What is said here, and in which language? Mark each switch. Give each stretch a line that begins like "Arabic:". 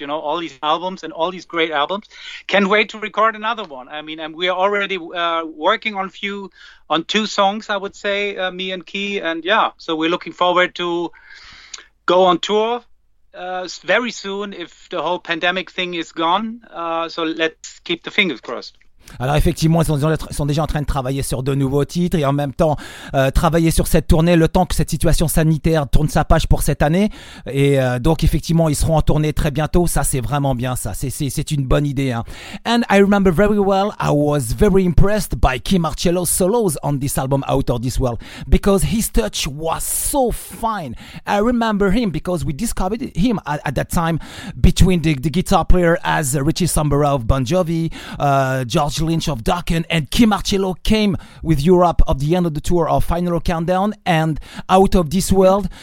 English: You know, all these albums and all these great albums. Can't wait to record another one. I mean, and we are already working on two songs, I would say, me and Key. And yeah, so we're looking forward to go on tour very soon if the whole pandemic thing is gone. So let's keep the fingers crossed.
French: Alors effectivement, ils sont déjà en train de travailler sur de nouveaux titres et en même temps travailler sur cette tournée le temps que cette situation sanitaire tourne sa page pour cette année. Et donc effectivement, ils seront en tournée très bientôt. Ça, c'est vraiment bien ça. C'est une bonne idée.
English: And I remember very well, I was very impressed by Kim Marcello's solos on this album Out of This World because his touch was so fine. I remember him because we discovered him at that time between the guitar player as Richie Sambora of Bon Jovi, George Lynch of Dokken, and Kim Marcello came with Europe at the end of the tour of Final Countdown and Out of This World.